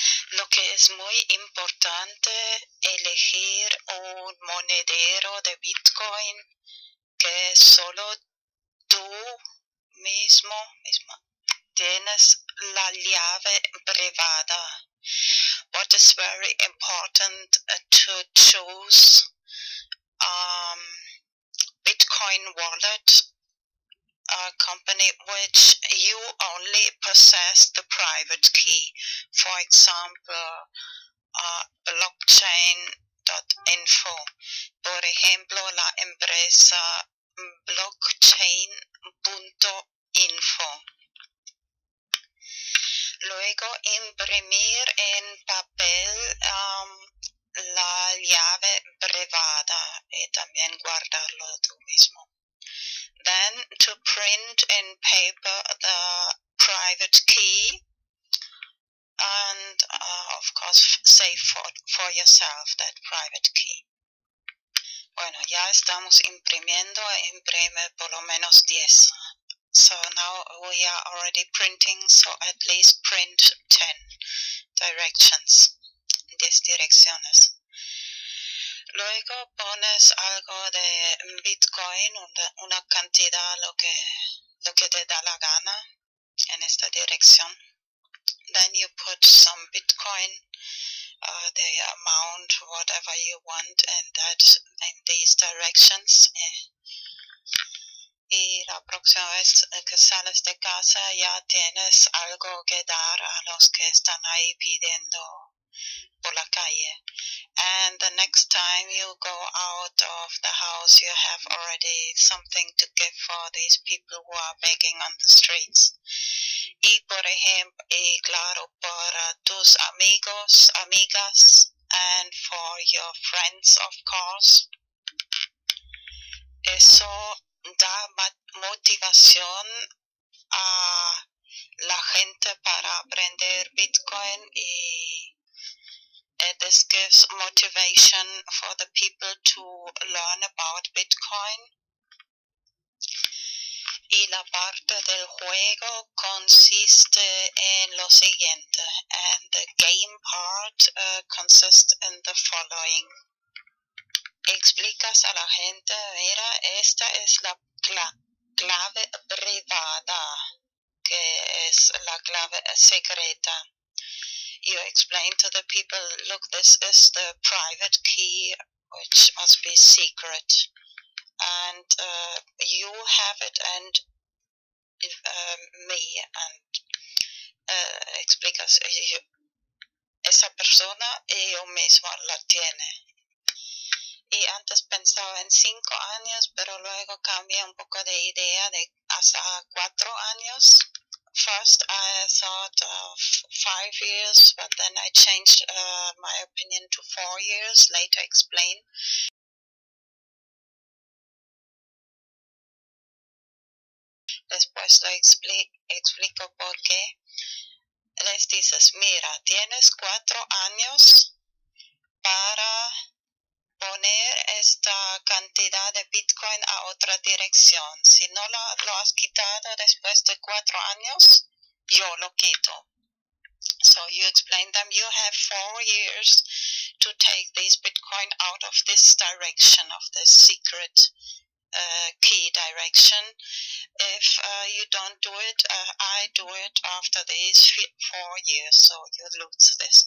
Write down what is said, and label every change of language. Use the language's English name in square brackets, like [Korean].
[Spanish] Lo que es muy importante elegir un monedero de Bitcoin que solo tú mismo tienes la llave privada. [English] What is very important to choose Bitcoin wallet, a company which you only possess the private key. For example, blockchain.info. [Spanish] Por ejemplo, la empresa blockchain.info. Luego, imprimir en papel la llave privada y también guardarlo tú mismo. [English] Then to print in paper the private key and of course save for yourself that private key. [Spanish] Bueno, ya estamos imprimiendo, imprime por lo menos 10. [English] So now we are already printing, so at least print 10 directions. [Spanish] 10 direcciones. Luego pones algo de Bitcoin, una cantidad, lo que te da la gana en esta dirección. [English] then you put some Bitcoin, the amount, whatever you want, and that in these directions. [Spanish] Y la próxima vez que sales de casa ya tienes algo que dar a los que están ahí pidiendo por la calle. [English] And the next time you go out of the house, you have already something to give for these people who are begging on the streets. [Spanish] Y por ejemplo, y claro, para tus amigos, amigas, [English] and for your friends, of course. [Spanish] Eso da motivación a la gente para aprender Bitcoin y [English] this gives motivation for the people to learn about Bitcoin. [Spanish] Y la parte del juego consiste en lo siguiente. [English] And the game part consists in the following. [Spanish] Explicas a la gente, mira, esta es la clave privada, que es la clave secreta. [English] You explain to the people, look, this is the private key, which must be secret. And you have it and me. [Spanish] And explicas, yo, esa persona y yo mismo la tiene. Y antes pensaba en 5 años, pero luego cambié un poco de idea de hasta 4 años. [English] First, I thought of 5 years, but then I changed my opinion to 4 years. Later, explain. [Spanish] Después lo explico por qué. Les dices, mira, tienes 4 años para poner esta cantidad de Bitcoin a otra dirección. Si no lo has quitado después de 4 años, yo lo quito. [English] So you explain them, you have 4 years to take this Bitcoin out of this direction, of this secret key direction. If you don't do it, I do it after these 4 years, so you lose this.